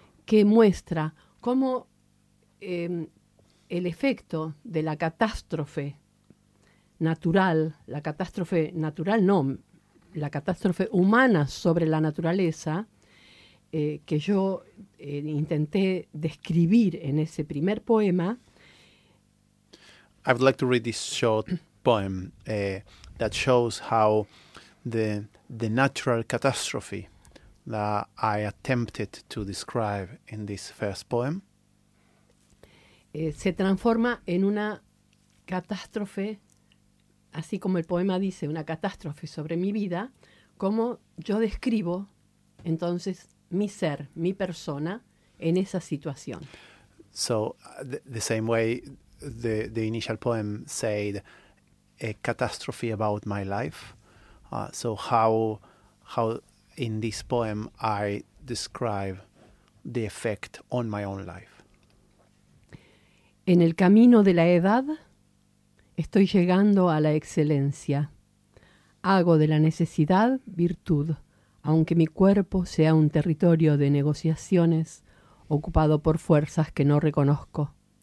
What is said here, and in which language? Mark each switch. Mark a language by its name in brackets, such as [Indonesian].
[Spanish] Que muestra cómo el efecto de la catástrofe natural, la catástrofe humana sobre la naturaleza, que yo intenté describir en ese primer poema. [English] I would like to read this short poem that shows how the natural catastrophe that I attempted to describe in this first poem. [Spanish] Se transforma en una catástrofe, así como el poema dice, una catástrofe sobre mi vida, como yo describo entonces mi ser, mi persona, en esa situación. [English] So, the same way the initial poem said, a catastrophe about my life. So how in this poem I describe the effect on my own life. [Spanish] En el camino de la edad estoy llegando a la excelencia. Hago de la necesidad virtud, aunque mi cuerpo sea un territorio de negociaciones ocupado por fuerzas que no reconozco.